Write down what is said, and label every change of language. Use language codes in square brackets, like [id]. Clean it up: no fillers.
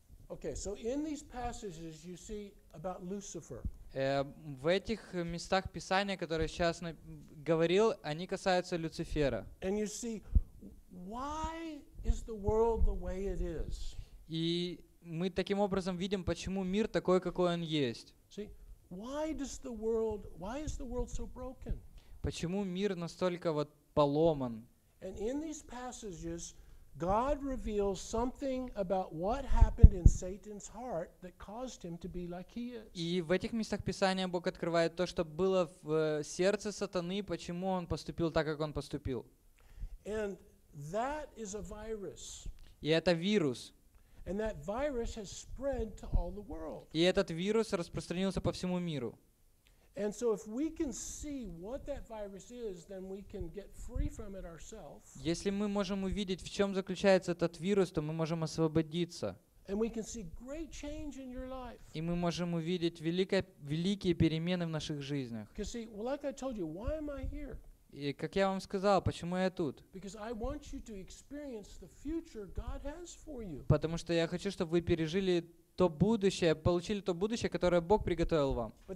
[en] Okay, so in these passages you see about Lucifer. [ru] В этих местах Писания, которые сейчас говорил, они касаются Люцифера. [en] And you see, why is the world the way it is? [ru] И мы таким образом видим, почему мир такой, какой он есть. [en] See, why does the world, why is the world so broken? [ru] Почему мир настолько вот поломан? [en] And in these passages, God reveals something about what happened in Satan's heart that caused him to be like he is. [ru] И в этих местах Писания Бог открывает то, что было в сердце сатаны, почему он поступил так, как он поступил. [en] And that is a virus. [ru] И это вирус. [en] And that virus has spread to all the world. [ru] И этот вирус распространился по всему миру. [en] And so if we can see what that virus is, then we can get free from it ourselves. [ru] Если мы можем увидеть, в чём заключается этот вирус, то мы можем освободиться. [en] And we can see great change in your life. [ru] И мы можем увидеть великие перемены в наших жизнях. [en] Because see, well, like I told you, why am I here? [ru] И как я вам сказал, почему я тут? [en] Because I want you to experience the future God has for you. [ru] Потому что я хочу, чтобы вы пережили то будущее, получили то будущее, которое Бог приготовил вам.